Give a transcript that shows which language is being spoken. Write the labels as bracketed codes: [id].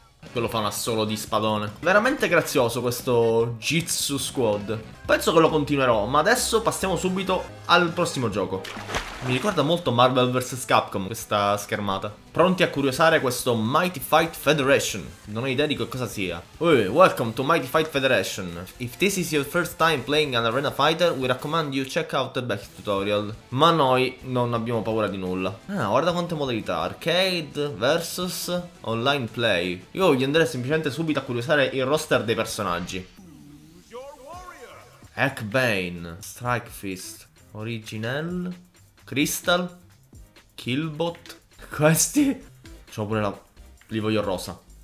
[it] Quello fa un assolo di spadone. Veramente grazioso questo Jitsu Squad. Penso che lo continuerò. Ma adesso passiamo subito al prossimo gioco. Mi ricorda molto Marvel vs. Capcom questa schermata. Pronti a curiosare questo Mighty Fight Federation? Non ho idea di che cosa sia. [en] Hey, welcome to Mighty Fight Federation. If this is your first time playing an arena fighter, we recommend you check out the back tutorial. [it] Ma noi non abbiamo paura di nulla. Ah, guarda quante modalità. [en] Arcade versus online play. [it] Io voglio andare semplicemente subito a curiosare il roster dei personaggi. Hackbane, Strikefist, Originel, Crystal, Killbot. Questi. C'ho pure la. Li voglio rosa.